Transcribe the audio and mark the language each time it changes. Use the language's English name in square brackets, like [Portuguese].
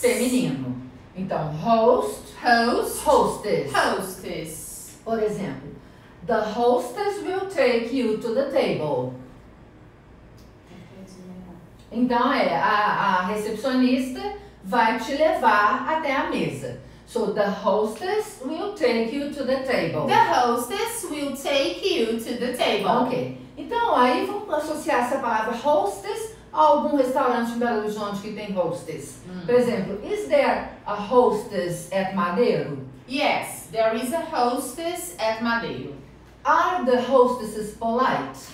[Portuguese] feminino. Então, host, [English] host, hostess, hostess. [Portuguese] Por exemplo, [English] the hostess will take you to the table. [Portuguese] Então, é, a recepcionista vai te levar até a mesa. [English] So, the hostess will take you to the table. The hostess will take you to the table. Ok. [Portuguese] Então, aí vamos associar essa palavra hostess a algum restaurante em Belo Horizonte que tem hostess. Por exemplo, [English] is there a hostess at Madeiro? Yes, there is a hostess at Madeiro. Are the hostesses polite?